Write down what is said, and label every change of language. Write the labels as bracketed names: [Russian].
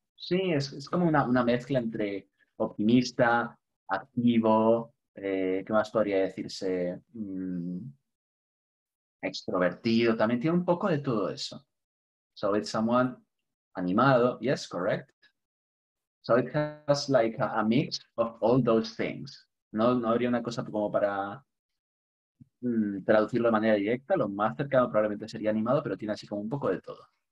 [Spanish] Sí, es como una mezcla entre optimista, activo, ¿qué más podría decirse? Extrovertido, también tiene un poco de todo eso. [English] So it's someone animado, yes, correct. So it has like a mix of all those things. [Spanish] No habría una cosa como para traducirlo de manera directa, lo más cercano probablemente sería animado, pero tiene así como un poco de todo.